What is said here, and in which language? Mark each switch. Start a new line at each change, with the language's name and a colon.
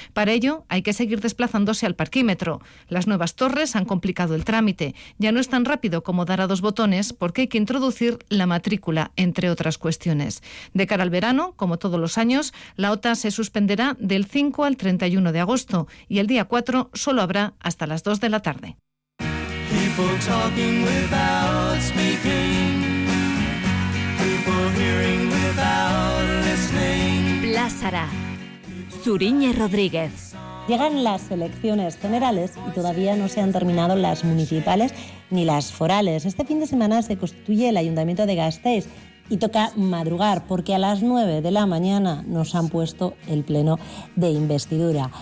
Spanish: Para ello, hay que seguir desplazándose al parquímetro. Las nuevas torres han complicado el trámite. Ya no es tan rápido como dar a dos botones porque hay que introducir la matrícula, entre otras cuestiones. De cara al verano, como todos los años, la OTA se suspenderá del 5 al 31 de agosto y el día 4 solo habrá hasta las 2 de la tarde.
English: People talking without speaking, people hearing without listening.
Spanish: Plazara, Zuriñe Rodríguez. Llegan las elecciones generales y todavía no se han terminado las municipales ni las forales. Este fin de semana se constituye el Ayuntamiento de Gasteiz y toca madrugar porque a las 9 de la mañana nos han puesto el pleno de investidura.